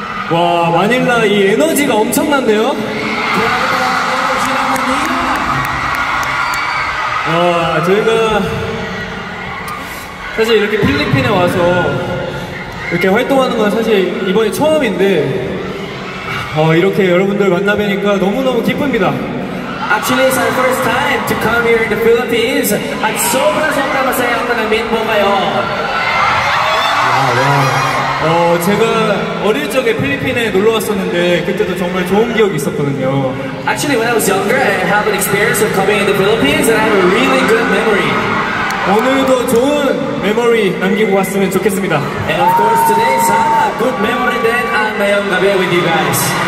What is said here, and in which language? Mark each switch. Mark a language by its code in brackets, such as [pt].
[ko] 와, 마닐라 이 에너지가 엄청난데요? 와, 저희가 사실 이렇게 필리핀에 와서 이렇게 활동하는 건 사실 이번이 처음인데 이렇게 여러분들 만나 뵈니까 너무너무 기쁩니다. [en] Actually, it's our first time to come here in the Philippines. [tl] At sobra sobra masaya ang nag-meet mo ngayon. [ko] 제가 어릴 적에 필리핀에 놀러 왔었는데 그때도 정말 좋은 기억이 있었거든요. [en] Actually, when I was younger, I have an experience of coming in the Philippines and I have a really good memory. [ko] 오늘도 좋은 메모리 남기고 왔으면 좋겠습니다. [en] And of course, today is a good memory that I'm going to be with you guys.